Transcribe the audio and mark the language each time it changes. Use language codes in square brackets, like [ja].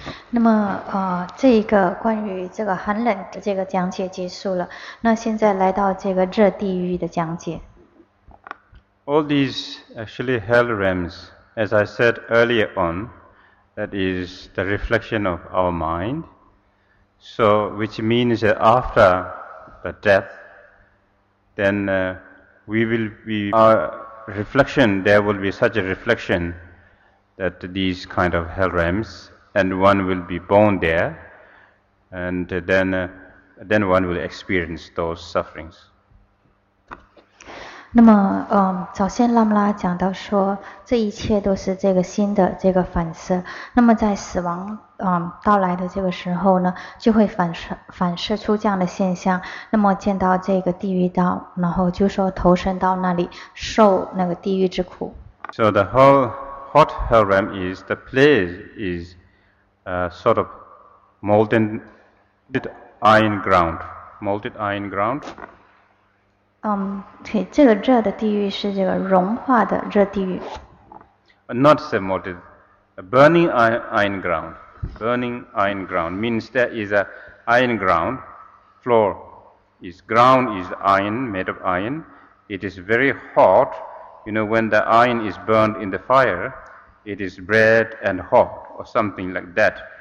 [zh] 那么这一个关于这个寒冷的这个讲解结束了，那现在来到这个热地狱的讲解。 [en] All these actually hell realms, as I said earlier on, that is the reflection of our mind. So, which means that after the death, then we will be our reflection. There will be such a reflection that these kind of hell realms, and one will be born there, and then one will experience those sufferings. [zh] 那么早先拉姆拉讲到说这一切都是这个心的这个反射，那么在死亡到来的这个时候呢，就会反射出这样的现象，那么见到这个地狱道，然后就说投身到那里受那个地狱之苦。 [en] So the whole hot hell realm is the place is a sort of molded iron ground. [zh] 对，这个热的地狱是这个融化的热地狱。 [en] Not so molten, a burning iron ground. Burning iron ground means there is a iron ground floor. Is ground is iron, made of iron. It is very hot. You know, when the iron is burned in the fire, it is red and hot or something like that.